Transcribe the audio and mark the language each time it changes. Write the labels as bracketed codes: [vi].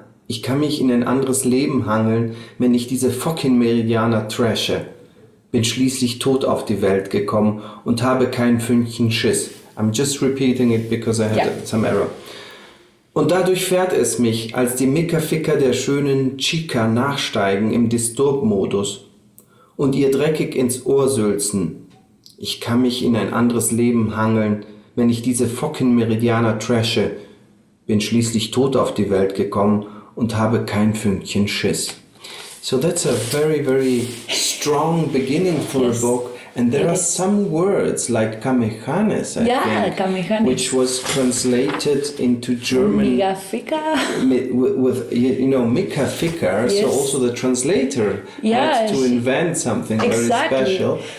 [de] Ich kann mich in ein anderes Leben hangeln, wenn ich diese fucking Meridianer trashe. Bin schließlich tot auf die Welt gekommen und habe kein Fünkchen Schiss. [en] I'm just repeating it because I had some error. [de] Und dadurch fährt es mich, als die Mickerficker der schönen Chica nachsteigen im Disturb-Modus und ihr dreckig ins Ohr sülzen. Ich kann mich in ein anderes Leben hangeln, wenn ich diese fucking Meridianer trashe. Bin schließlich tot auf die Welt gekommen und habe kein Fünkchen Schiss. [en] So that's a very, very strong beginning for a book. And there are some words like Kamehanes, I think, Kamehanes, which was translated into German. [de] Mickerficker. [en] With, you know, Mickerficker. Yes. So also the translator had to invent something very special.